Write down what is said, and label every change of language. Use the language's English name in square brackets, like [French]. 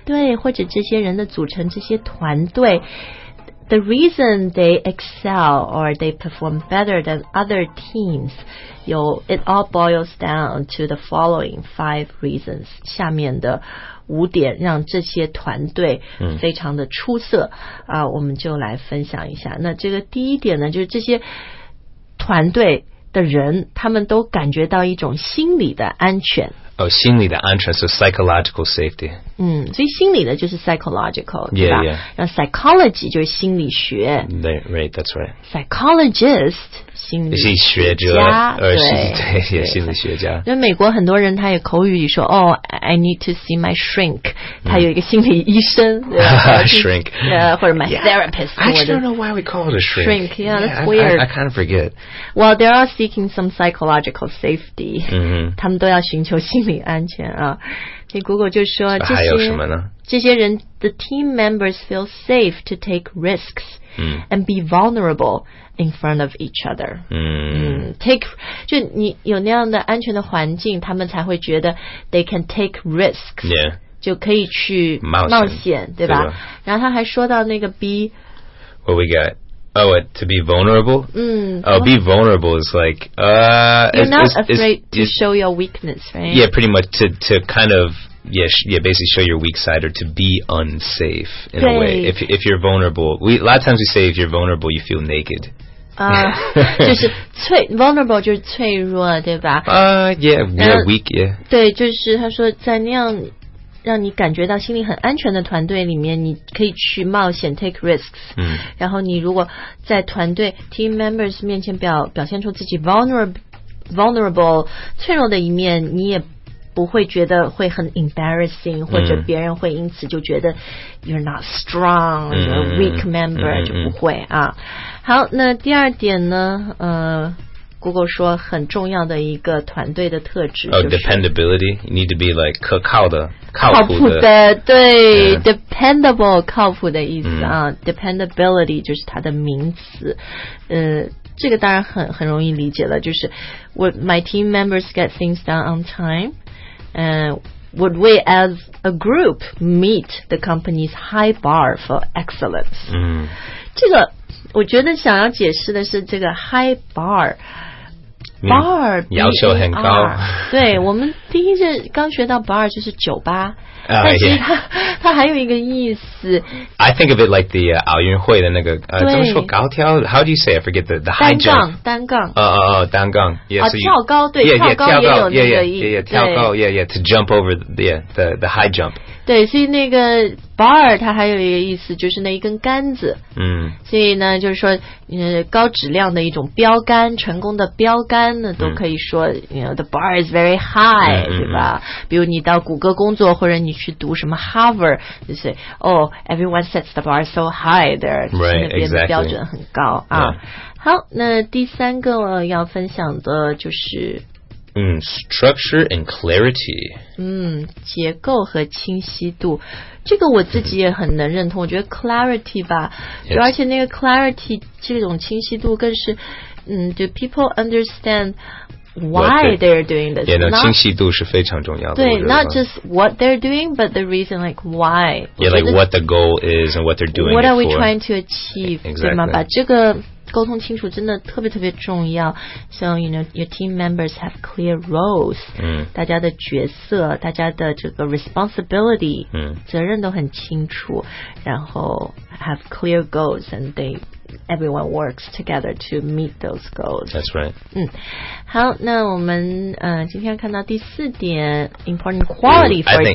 [Chinese] 对或者这些人的组成这些团队 [English] The reason they excel or they perform better than other teams It all boils down to the following five reasons [Chinese] 下面的五点让这些团队非常的出色、我们就来分享一下那这个第一点呢就是这些团队的人他们都感觉到一种心理的安全 [English] 哦、oh, [Chinese] 心理的安全 [English] so psychological safety [Chinese] 所以心理的就是 psychological [English] yeah, [Chinese] 对吧 [English] yeah. [Chinese] 然后 psychology 就是心理学 [English] right, that's right [Chinese] psychologist 心理学者家对, 对, 对心理学家因为美国很多人他也口语里说哦、 [English] I need to see my shrink [Chinese] 他有一个心理医生、 [English] shrink 或者 my therapist I actually don't know why we call it a shrink yeah, that's weird I kind of forget well, they are seeking some psychological safety、 [Chinese] 他们都要寻求心理安全啊，所以 [English] Google 就说 [Chinese] 还有什么呢？ [English] 这些人 the team members feel safe to take risks、and be vulnerable in front of each other、take [Chinese] 就你有那样的安全的环境他们才会觉得 [English] they can take risks、 yeah. [Chinese] 就可以去冒险对 吧, 对吧然后他还说到那个 be [English] what we got Oh, what, to be vulnerable? Oh, be vulnerable is like... You're not afraid to show your weakness, right? Yeah, pretty much to kind of yeah, basically show your weak side, or to be unsafe in a way. If you're vulnerable, a lot of times we say if you're vulnerable, you feel naked. [Chinese] 就是脆 vulnerable 就是脆弱，对吧？ [English] Yeah, weak. Yeah. [Chinese] 对，就是他说在那样让你感觉到心里很安全的团队里面，你可以去冒险 take risks。嗯。然后你如果在团队 team members 面前表现出自己 vulnerable 脆弱的一面，你也不会觉得会很 embarrassing， 或者别人会因此就觉得 [English] you're not strong， you're a weak member， [Chinese] 就不会啊。好，那第二点呢？Google 说很重要的一个团队的特质、就是 [English] dependability. You need to be like [Chinese] 可靠的，靠谱的，对、dependable 靠谱的意思啊。 Dependability 就是它的名词，这个当然很容易理解了，就是 [English] Would my team members get things done on time? Would we as a group meet the company's high bar for excellence? [Chinese] 这个我觉得想要解释的是这个 high bar。 [English] Bar [Chinese] 要求很高，对，我们第一次刚学到 bar 就是酒吧，但是它还有一个意思。 [English] I think of it like the [Chinese] 奥运会的那个，怎么说高挑 [English] ？How do you say? I forget the high jump. [Chinese] 单杠。单杠。跳高，对，跳高也有那个意思。跳高 ， [English] to jump over the high jump. [Chinese] 对，所以那个 bar 它还有一个意思，就是那一根杆子。所以呢，就是说，高质量的一种标杆，成功的标杆。都可以说 [English] you know, the bar is very high, [Chinese] 对吧？比如你到谷歌工作，或者你去读什么 Harvard, 就是 [English] oh, everyone sets the bar so high there, [Chinese] 那边的标准很高啊。好，那第三个我要分享的就是 [English] structure and clarity. [Chinese] 结构和清晰度，这个我自己也很能认同。我觉得 clarity 吧，而且那个 clarity 这种清晰度更是。 [English] Do people understand why they're doing this? [Chinese] Yeah, no, 清晰度是非常重要的。 [English] 对 ，not just what they're doing, but the reason, like why. Yeah, like what the goal is and what they're doing. What are we trying to achieve? Exactly. [Chinese] 对吗？把这个沟通清楚真的特别特别重要。 [English] So you know, your team members have clear roles. [Chinese] 大家的角色，大家的这个 responsibility， 责任都很清楚。 [English] 然后 have clear goals and they. Everyone works together to meet those goals. That's right. [Chinese] 好，那我们今天看到第四点 [English] important quality for